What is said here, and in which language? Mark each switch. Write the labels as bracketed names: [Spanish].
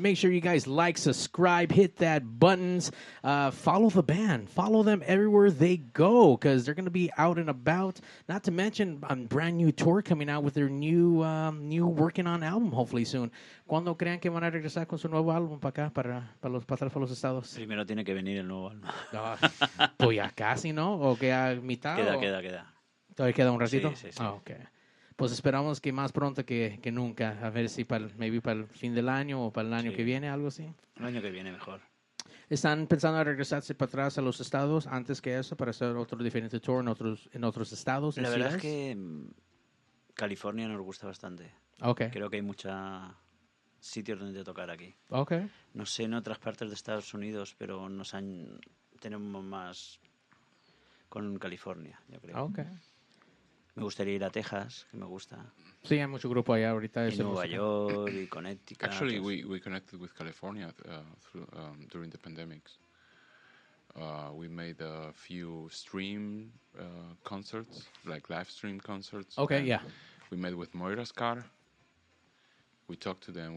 [English] Make sure you guys like, subscribe, hit that buttons. Follow the band. Follow them everywhere they go because they're going to be out and about. Not to mention a brand new tour coming out with their new working on album, hopefully soon. [Spanish] ¿Cuándo crean que van a regresar con su nuevo álbum para acá, para los pasar por los estados? Primero tiene que venir el nuevo álbum. Pues ya casi, ¿no? ¿O queda mitad? Queda. ¿Todavía queda un ratito? Sí. Oh, okay. Pues esperamos que más pronto que nunca. A ver si para el fin del año o para el año que viene, algo así. El año que viene mejor. ¿Están pensando en regresarse para atrás a los estados antes que eso para hacer otro diferente tour en otros estados? La verdad es que California nos gusta bastante. Okay. Creo que hay muchos sitios donde tocar aquí. Okay. No sé en otras partes de Estados Unidos, pero tenemos más con California, yo creo. Okay. Me gustaría ir a Texas, que me gusta. Sí, hay mucho grupo allá ahorita. Y Nueva York, y Connecticut. [English] Actually, we connected with California during the pandemic. We made a few stream concerts, like live stream concerts. Okay, yeah. We met with Moira's Car. We talked to them.